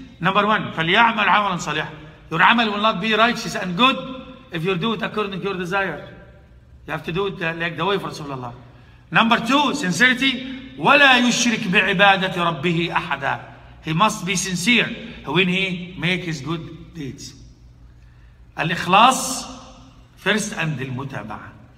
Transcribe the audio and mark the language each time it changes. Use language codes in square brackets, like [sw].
[en] Number one, [ar] فليعمل عملا صالحا. [en] Your عمل will not be righteous and good if you do it according to your desire. You have to do it like the way of Rasulullah. Number two, sincerity. [ar] ولا يشرك بعبادة ربه أحدا. [en] He must be sincere when he makes his good deeds. الإخلاص first and المتابعة.